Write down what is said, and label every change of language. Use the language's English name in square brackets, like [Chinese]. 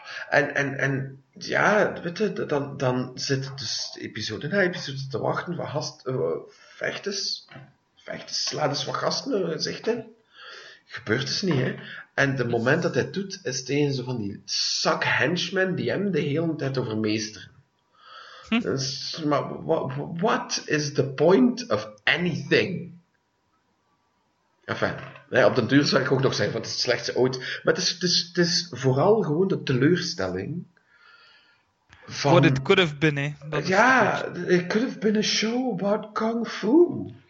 [Dutch] En ja, weet je, dan zit het dus episode na episode te wachten van vechtes. Vecht, sla dus wat gasten naar hun gezicht in. Gebeurt dus niet, hè. En het moment dat hij het doet, is tegen zo van die suck henchmen die hem de hele tijd overmeesteren. Dus, maar [English] what is the point of anything? [Dutch] Enfin, hè, op den duur zou ik ook nog zeggen, want het is het slechtste ooit. Maar het is vooral gewoon de teleurstelling. [English] Van, what it could have been, hè. [Dutch] Dat ja, [English] it could have been a show about kung fu.